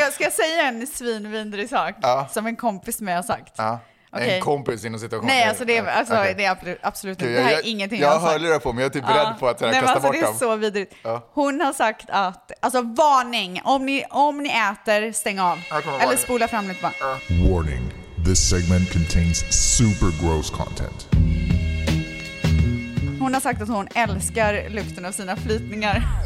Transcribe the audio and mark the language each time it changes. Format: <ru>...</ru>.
<sv>Alltså ska jag säga en svinvindrig sak som en kompis med har sagt. Ja. Okay. En kompis i någon situation. Nej, alltså det är absolut inte. Det här är ingenting. Jag har lurat på, men jag är typ rädd på att kasta alltså, bort dem. Nej, men alltså det är så vidrigt. Hon har sagt att, alltså varning, om ni äter, stäng av. Eller spola fram lite bara.</sv> <en>Warning, this segment contains super gross content.</en> <sv>Hon har sagt att hon älskar lukten av sina flytningar.</sv>